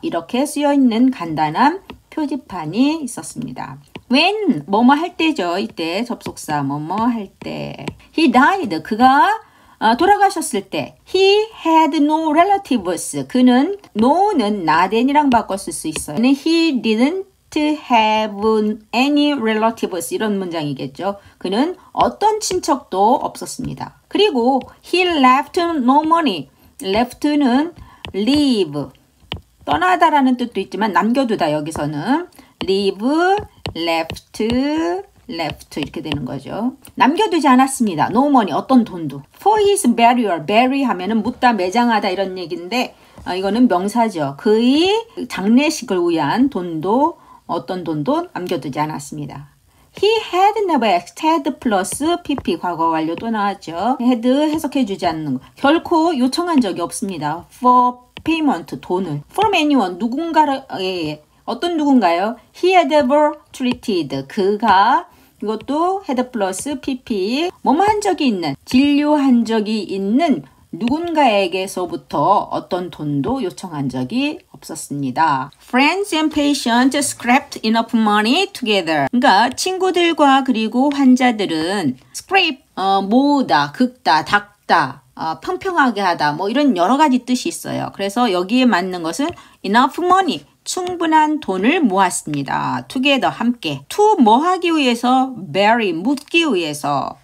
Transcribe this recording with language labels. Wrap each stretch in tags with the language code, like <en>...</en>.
<ko>이렇게 쓰여 있는 간단한 표지판이 있었습니다. When, 뭐뭐 할 때죠. 이때 접속사, 뭐뭐 할 때. He died, 그가 돌아가셨을 때.</ko> <en>He had no relatives.</en> <ko>그는, no는 나댄이랑 바꿔 쓸수 있어요.</ko> <en>He didn't have any relatives.</en> <ko>이런 문장이겠죠. 그는 어떤 친척도 없었습니다. 그리고</ko> <en>he left no money.</en> <ko>left는 leave, 떠나다라는 뜻도 있지만 남겨두다 여기서는 leave, left 이렇게 되는 거죠. 남겨두지 않았습니다. no money, 어떤 돈도.</ko> <en>for his burial,</en> <ko>bury 하면은 묻다, 매장하다 이런 얘기인데 이거는 명사죠. 그의 장례식을 위한 돈도, 어떤 돈도 남겨두지 않았습니다.</ko> <en>He had never asked, had plus pp,</en> <ko>과거 완료 또 나왔죠. had 해석해 주지 않는 거. 결코 요청한 적이 없습니다.</ko> <en>For payment,</en> <ko>돈을.</ko> <en>From anyone,</en> <ko>누군가를, 어떤 누군가요?</ko> <en>He had ever treated,</en> <ko>그가, 이것도 had plus pp, 뭐뭐 한 적이 있는, 진료한 적이 있는 누군가에게서부터 어떤 돈도 요청한 적이 없었습니다.</ko> <en>Friends and patients scraped enough money together.</en> <ko>그러니까 친구들과 그리고 환자들은 scrape, 모으다, 긁다, 닦다, 평평하게 하다, 뭐 이런 여러 가지 뜻이 있어요. 그래서 여기에 맞는 것은</ko> <en>enough money,</en> <ko>충분한 돈을 모았습니다. Together, 함께. To 뭐 하기 위해서? bury, 묻기 위해서.</ko>